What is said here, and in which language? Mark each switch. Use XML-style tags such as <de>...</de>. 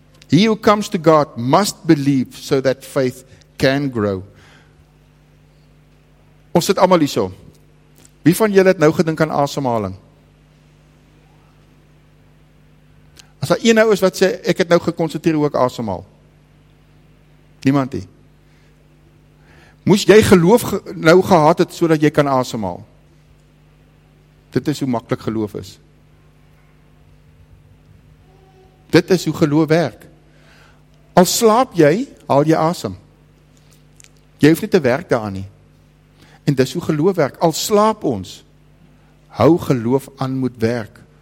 <en>He who comes to God must believe so that faith can grow.</en> <af>Ons sit almal hierso. Wie van julle het nou gedink aan asemhaling? As daar een nou is wat sê, ek het nou gekonsentreer hoe ek asemhaal. Niemand nie. Moes jy geloof nou gehad het sodat jy kan asemhaal? Dit is hoe maklik geloof is. Dit is hoe geloof werk. Al slaap jy, haal jy asem. Jy hoef nie te werk daaraan nie. En dis hoe geloof werk. Al slaap ons, hou geloof aan moet werk.</af>